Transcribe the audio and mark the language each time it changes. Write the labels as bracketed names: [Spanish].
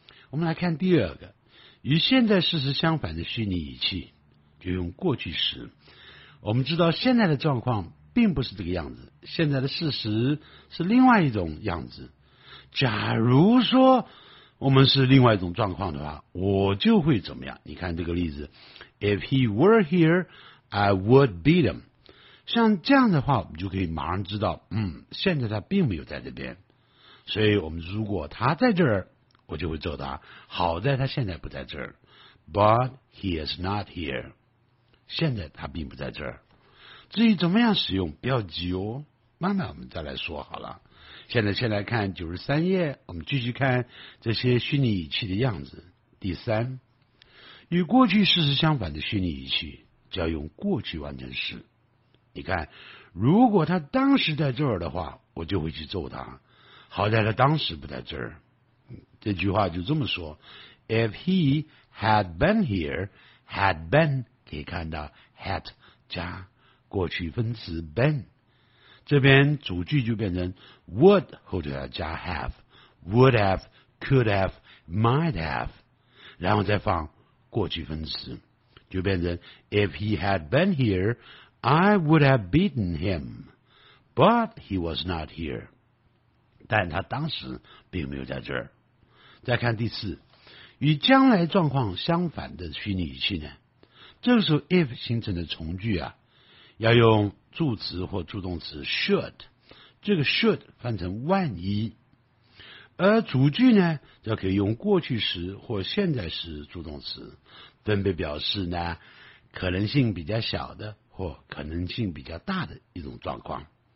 [Chinese] 我们来看第二个，与现在事实相反的虚拟语气就用过去时。我们知道现在的状况并不是这个样子，现在的事实是另外一种样子，假如说我们是另外一种状况的话，我就会怎么样。你看这个例子， [English] If he were here, I would beat him. [Chinese] 像这样的话，我们就可以马上知道，现在他并没有在这边，所以我们如果他在这儿，我就会揍他。好在他现在不在这儿， [English] But he is not here. [Chinese] 现在他并不在这儿。至于怎么样使用，不要急哦，慢慢我们再来说好了。现在先来看93页，我们继续看这些虚拟语气的样子。第三，与过去事实相反的虚拟语气就要用过去完成时。你看，如果他当时在这儿的话，我就会去揍他，好在他当时不在这儿。这句话就这么说， [English] If he had been here, had been， [Chinese] 可以看到 had 加过去分词 been，这边主句就变成 would， 后者要加 have， would have， could have， might have， 然后再放过去分词，就变成 [English] if he had been here I would have beaten him but he was not here， [Chinese] 但他当时并没有在这儿。再看第四，与将来状况相反的虚拟语气呢，这个时候 if 形成的从句啊要用助词或助动词 should， 这个 should 翻成万一，而主句呢则可以用过去时或现在时助动词，分别表示呢可能性比较小的或可能性比较大的一种状况。